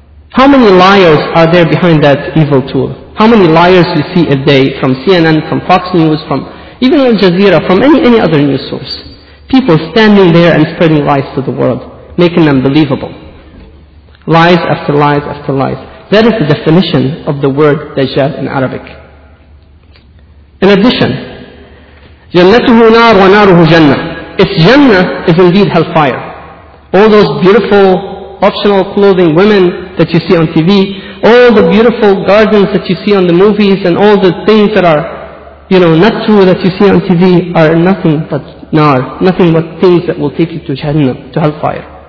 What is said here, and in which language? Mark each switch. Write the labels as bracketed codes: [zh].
[en] How many liars are there behind that evil tool? How many liars you see a day from CNN, from Fox News, from even Al Jazeera, from any other news source? People standing there and spreading lies to the world, making them believable. Lies after lies after lies. That is the definition of the word Dajjal in Arabic. In addition, [ar] جَنَّتُهُ نَارُ وَنَارُهُ جَنَّةُ. [en] Its Jannah is indeed hellfire. All those beautiful optional clothing women that you see on TV, all the beautiful gardens that you see on the movies and all the things that are you know, not true that you see on TV are nothing but nar, nothing but things that will take you to Jahannam, to hellfire.